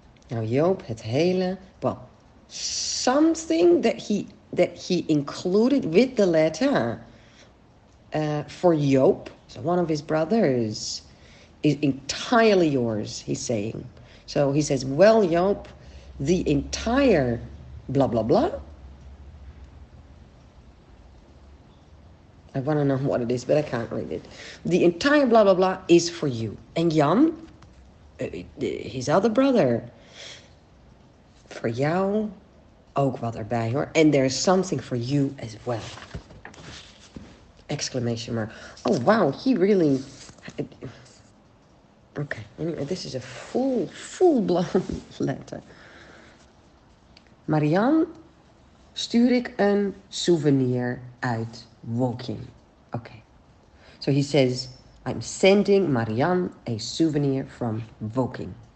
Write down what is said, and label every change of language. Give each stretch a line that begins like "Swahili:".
English: Now, Joop,
Dutch: het hele,
English: well, something that he included with the letter for Joop, so one of his brothers, is entirely yours, he's saying. So he says, well, Joop, the entire blah, blah, blah. I want to know what it is, but I can't read it. The entire blah, blah, blah is for you. And Jan, his other brother...
Dutch: For jou ook wat erbij hoor.
English: And there is something for you as well. Exclamation mark. Oh wow, he really... Okay, anyway, this is a full blown letter.
Dutch: Marianne, stuur ik een souvenir uit Woking.
English: Okay. So he says, I'm sending Marianne a souvenir from Woking.